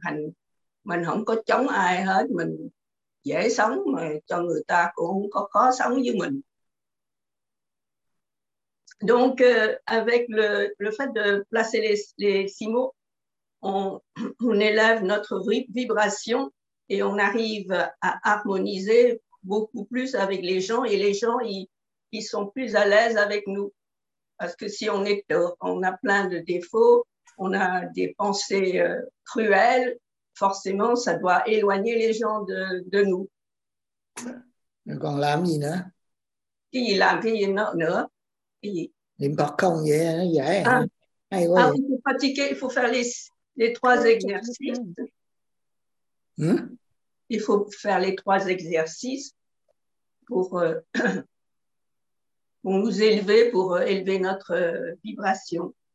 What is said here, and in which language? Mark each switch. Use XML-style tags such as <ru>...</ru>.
<vi>Thành mình không có chống ai hết, mình dễ sống mà cho người ta cũng không có khó sống với mình.</vi> <fr>Donc, avec le fait de placer les six mots, on élève notre vibration et on arrive à harmoniser beaucoup plus avec les gens et les gens, ils sont plus à l'aise avec nous. Parce que si on a plein de défauts, on a des pensées cruelles, forcément, ça doit éloigner les gens de nous. Donc, on l'a mis, non? Qui l'a mis, non?</fr> <vi>Niệm Phật không vậy nó dễ à, hay quá.</vi> <fr>Il faut pratiquer, il faut faire les trois exercices. Il faut faire les trois exercices pour nous élever, pour élever notre vibration.</fr>